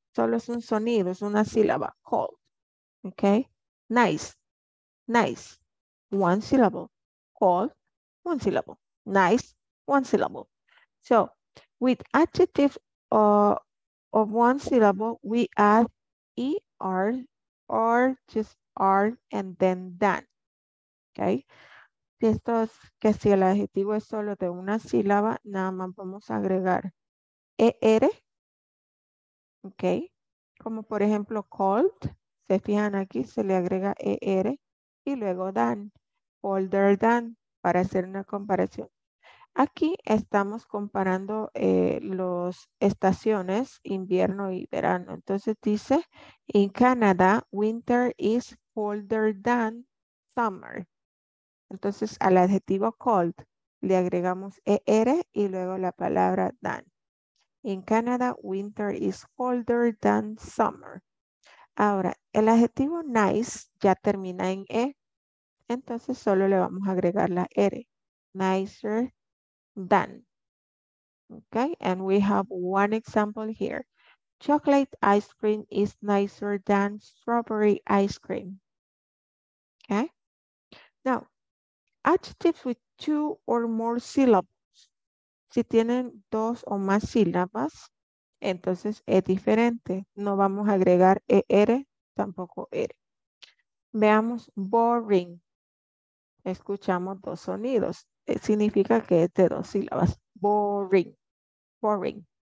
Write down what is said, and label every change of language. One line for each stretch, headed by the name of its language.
Spanish: Solo es un sonido, es una sílaba, cold.
English: Okay, nice, one syllable. Cold, one syllable. Nice, one syllable. So with adjectives of one syllable, we add ER or just R and then than. Okay.
Spanish: Si esto es que si el adjetivo es solo de una sílaba, nada más vamos a agregar ER. Okay. Como por ejemplo, cold. Se fijan aquí, se le agrega ER y luego than.
English: Older than,
Spanish: para hacer una comparación. Aquí estamos comparando las estaciones, invierno y verano. Entonces dice,
English: in Canada, winter is colder than summer.
Spanish: Entonces al adjetivo cold le agregamos ER y luego la palabra than.
English: In Canada, winter is colder than summer.
Spanish: Ahora, el adjetivo nice ya termina en E. Entonces solo le vamos a agregar la R. Nicer. Done.
English: Okay, and we have one example here. Chocolate ice cream is nicer than strawberry ice cream. Okay, now adjectives with two or more syllables.
Spanish: Si tienen dos o más sílabas, entonces es diferente. No vamos a agregar ER, tampoco R. Veamos boring. Escuchamos dos sonidos. Significa que es de dos sílabas. Boring. Boring.